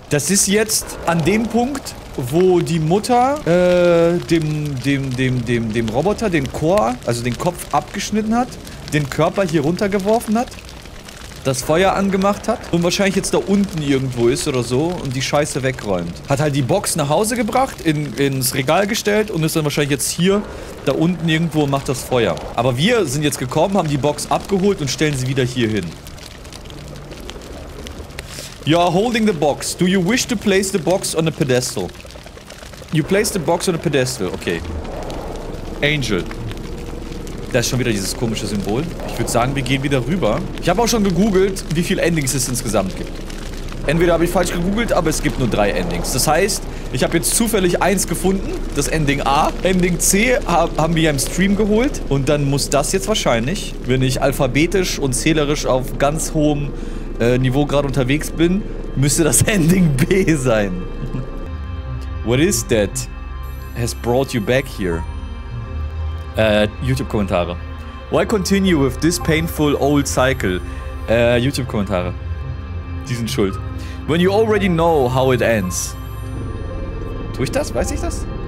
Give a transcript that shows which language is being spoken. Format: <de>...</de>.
<de>Das ist jetzt an dem Punkt, wo die Mutter dem Roboter den Core, also den Kopf abgeschnitten hat, den Körper hier runtergeworfen hat, das Feuer angemacht hat und wahrscheinlich jetzt da unten irgendwo ist oder so und die Scheiße wegräumt. Hat halt die Box nach Hause gebracht, ins Regal gestellt und ist dann wahrscheinlich jetzt hier da unten irgendwo und macht das Feuer. Aber wir sind jetzt gekommen, haben die Box abgeholt und stellen sie wieder hier hin.</de> <en>You are holding the box. Do you wish to place the box on a pedestal? You place the box on a pedestal. Okay. Angel.</en> <de>Da ist schon wieder dieses komische Symbol. Ich würde sagen, wir gehen wieder rüber. Ich habe auch schon gegoogelt, wie viele Endings es insgesamt gibt. Entweder habe ich falsch gegoogelt, aber es gibt nur 3 Endings. Das heißt, ich habe jetzt zufällig eins gefunden, das Ending A. Ending C haben wir ja im Stream geholt. Und dann muss das jetzt wahrscheinlich, wenn ich alphabetisch und zählerisch auf ganz hohem Niveau gerade unterwegs bin, müsste das Ending B sein.</de> <en>What is that has brought you back here?</en> <de>YouTube-Kommentare.</de> <en>Why continue with this painful old cycle?</en> <de>YouTube-Kommentare. Die sind schuld.</de> <en>When you already know how it ends.</en> <de>Tue ich das? Weiß ich das?</de>